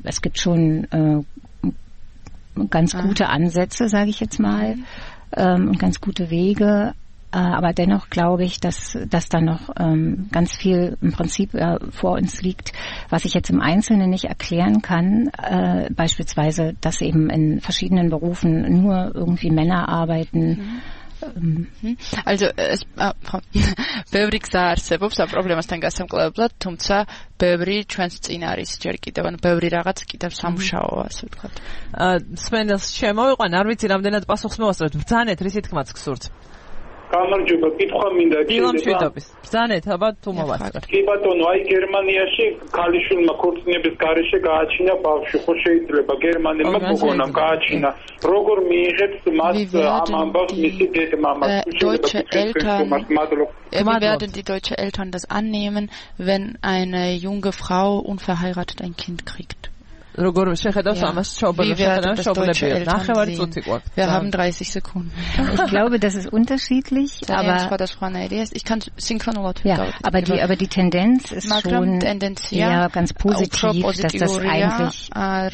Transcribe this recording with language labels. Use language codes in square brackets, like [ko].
[de] Es gibt schon ganz gute Ansätze, sage ich jetzt mal, ganz gute Wege. Aber dennoch glaube ich, dass da noch ganz viel im Prinzip vor uns liegt, was ich jetzt im Einzelnen nicht erklären kann. Beispielsweise, dass eben in verschiedenen Berufen nur irgendwie Männer arbeiten. Also es [ka] ბევრი გზა არსებობს ამ პრობლემასთან გასამკლავებლად, თუმცა ბევრი ჩვენს წინ არის ჯერ კიდევ, ანუ ბევრი რაღაც კიდევ სამუშაოა, ასე ვთქვათ. Სვენელს შემოვიყვან, არ ვიცი რამდენად პასუხს მოასწროთ. ბძანეთ, რითი თქმაც გსურთ. გამარჯობა, კითხვა მინდა შეიძლება. ბძანეთ, აბა თუ მოვასწროთ. კი ბატონო, აი გერმანიაში ქალიშვილმა ქორწინების გარეშე გააჩინა ბავშვი, ხო შეიძლება გერმანელმა გოგონამ გააჩინა. როგორ მიიღებს მას ამ ამბავს მისი დედა მამა? [de] Deutsche Eltern. Wie werden die deutsche Eltern das annehmen, wenn eine junge Frau unverheiratet ein Kind kriegt? [ka] როგორ შეხედავს ამას შობლები ნახევარი წუთი გვაქვს. [de] Wir haben 30 Sekunden. Ich glaube, das ist unterschiedlich, aber ja, das war eine Idee. Ich kann synchronolat ja, aber die Tendenz ist schon ja ganz positiv, dass das eigentlich